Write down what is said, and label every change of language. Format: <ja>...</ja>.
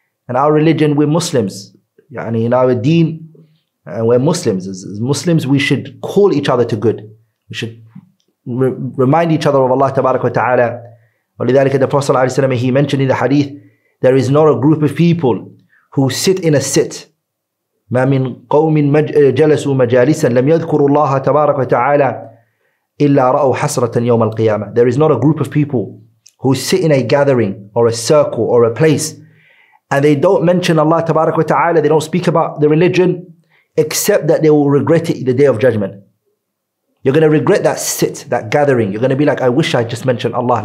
<en>And our religion, we're Muslims. يعني in our deen, we're Muslims. As Muslims, we should call each other to good. We should remind each other of Allah tabarak wa ta'ala. ولذلك the Prophet sallallahu alayhi wa sallam, he mentioned in the hadith, there is not a group of people who sit in a sit.</en> <ar>ما من قوم جلسوا مجالسا لم يذكروا الله تبارك وتعالى إلا رأوا حسرة يوم القيامة.</ar> <en>There is not a group of people who sit in a gathering or a circle or a place and they don't mention Allah</en> <ar>تبارك وتعالى,</ar> <en>they don't speak about the religion except that they will regret it the day of judgment. You're going to regret that sit, that gathering. You're going to be like, I wish I just mentioned Allah.</en>